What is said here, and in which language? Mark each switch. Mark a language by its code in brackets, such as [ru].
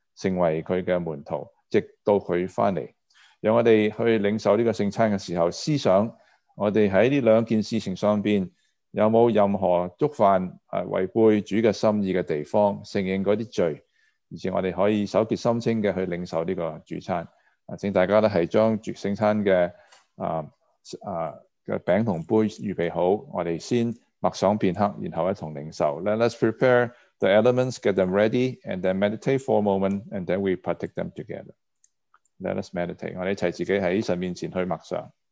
[zh] 成为他的门徒，直到他回来。让我们去领受这个圣餐的时候，思想我们在这两件事情上面有没有任何触犯违背主的心意的地方，承认那些罪，而且我们可以守洁心清的去领受这个主餐。请大家呢是将主圣餐的饼和杯预备好，我们先默想片刻，然后一同领受。 [en] Let's prepare the elements, get them ready, and then meditate for a moment, and then we partake them together. Let us meditate. [zh] 我们一起自己在神面前去默想。